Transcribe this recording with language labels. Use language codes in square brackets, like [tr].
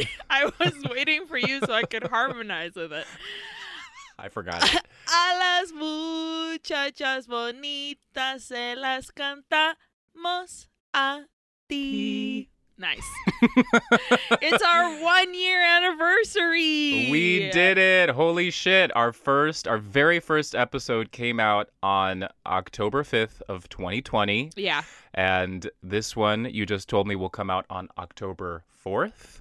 [en] I was waiting for you so I could harmonize with it. I forgot it. [es] A las muchachas bonitas se las cantamos a ti. [en] Nice. It's our 1 year anniversary. We did it. Holy shit. Our very first episode came out on October 5th of 2020. Yeah. And this one you just told me will come out on October 4th.